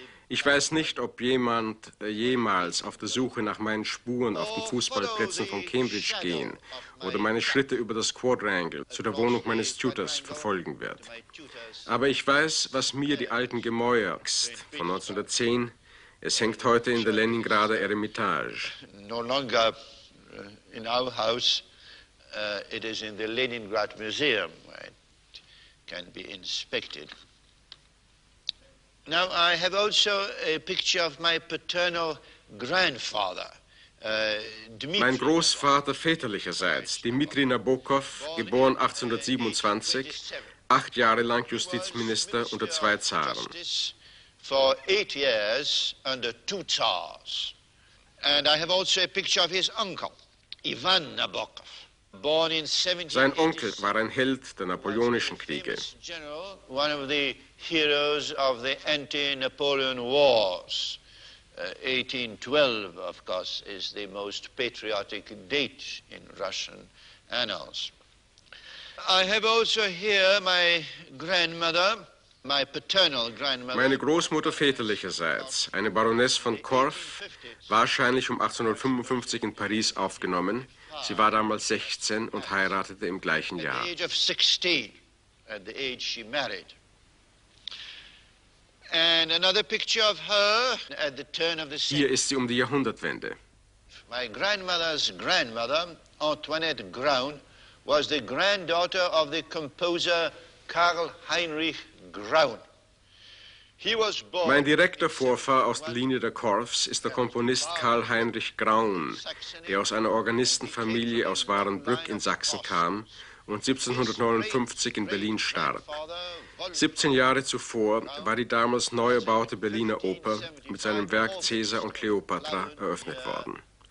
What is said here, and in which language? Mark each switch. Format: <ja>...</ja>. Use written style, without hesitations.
<de>Ich weiß nicht, ob jemand jemals auf der Suche nach meinen Spuren auf den Fußballplätzen von Cambridge gehen oder meine Schritte über das Quadrangle zu der Wohnung meines Tutors verfolgen wird. Aber ich weiß, was mir die alten Gemäuer von 1910, es hängt heute in der Leningrader Eremitage.</de> <en>No longer in our house, it is in the Leningrad Museum, where it can be inspected. Now, I have also a picture of my paternal grandfather, Dmitri.</en> <de>Mein Großvater väterlicherseits, Dmitri Nabokov, geboren 1827, 8 Jahre lang Justizminister unter 2 Zaren.</de> <en>For 8 years under 2 Tsars. And I have also a picture of his uncle, Ivan Nabokov.</en> <de>Sein Onkel war ein Held der napoleonischen Kriege.</de> <en>One of the heroes of the anti-Napoleon Wars. 1812, of course, is the most patriotic date in Russian annals. I have also here my grandmother, my paternal grandmother.</en> <de>Meine Großmutter väterlicherseits, eine Baroness von Korf, wahrscheinlich um 1855 in Paris aufgenommen. Sie war damals 16 und heiratete im gleichen Jahr.</de> <en>At the age of 16, at the age she married. And another picture of her at the turn of the century.</en> <de>Hier ist sie um die Jahrhundertwende.</de> <en>My grandmother's grandmother, Antoinette Graun, was the granddaughter of the composer Karl Heinrich Graun.</en> <de>Mein direkter Vorfahr aus der Linie der Korfs ist der Komponist Karl Heinrich Graun, der aus einer Organistenfamilie aus Warenbrück in Sachsen kam und 1759 in Berlin starb. 17 Jahre zuvor war die damals neu erbaute Berliner Oper mit seinem Werk Cäsar und Kleopatra eröffnet worden.</de>